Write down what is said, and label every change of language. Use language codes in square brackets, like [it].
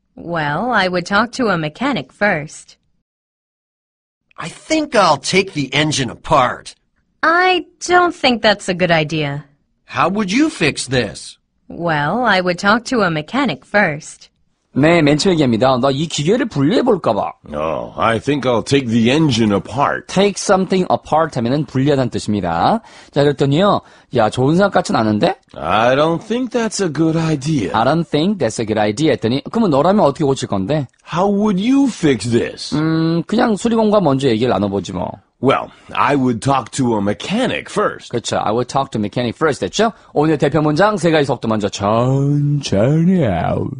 [en] Well, I would talk to a mechanic first. I think I'll take the engine apart. I don't think that's a good idea. How would you fix this? Well, I would talk to a mechanic first. [ko] 네, 맨 처음 얘기합니다. 나 이 기계를 분리해볼까 봐. [en] I think I'll take the engine apart. Take something apart [ko] 하면은 분리하다는 뜻입니다. 자, 그랬더니요. 야, 좋은 생각 같진 않은데? [en] I don't think that's a good idea. I don't think that's a good idea [ko] 했더니, 그러면 너라면 어떻게 고칠 건데? [en] How would you fix this? [ko] 그냥 수리공과 먼저 얘기를 나눠보지 뭐. [en] Well, I would talk to a mechanic first. [ko] 그렇죠. [en] I would talk to a mechanic first. [ko] 됐죠? 오늘 대표 문장 세 가지 속도 먼저 천천히 out.